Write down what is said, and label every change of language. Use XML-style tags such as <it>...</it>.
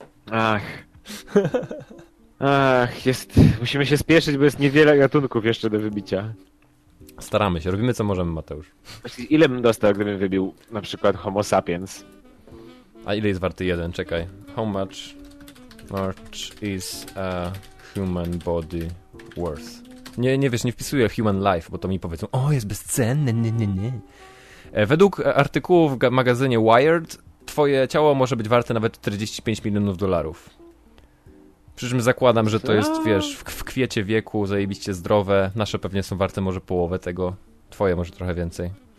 <pl>Ach. Ach, jest... Musimy się spieszyć, bo jest niewiele gatunków jeszcze do wybicia. Staramy się, robimy co możemy, Mateusz. Ile bym dostał, gdybym wybił na przykład Homo sapiens? A ile jest warty jeden? Czekaj.</pl> <en>How much, is a human body worth?</en> <pl>Nie wiesz, nie wpisuję</pl> <en>human life,</en> <pl>bo to mi powiedzą, o, jest bezcenny, nie. Według artykułu w magazynie Wired, twoje ciało może być warte nawet 45 milionów dolarów. Przy czym zakładam, że to jest, wiesz, w kwiecie wieku, zajebiście zdrowe, nasze pewnie są warte może połowę tego, twoje może trochę więcej.</pl>